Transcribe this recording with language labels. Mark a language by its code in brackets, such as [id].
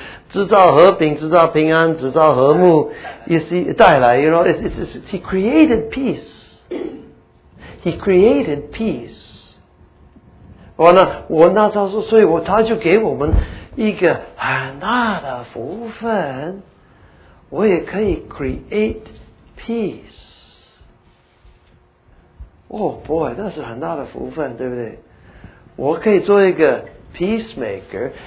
[zh] 制造和平，制造平安，制造和睦. [en] You see, [zh] 带来, [en] you know, he created peace. He created peace. [zh] 我那时候，所以他就给我们一个很大的福分. 我也可以 [en] create peace. Oh boy, [zh] 那是很大的福分，对不对？我可以做一个 peacemaker.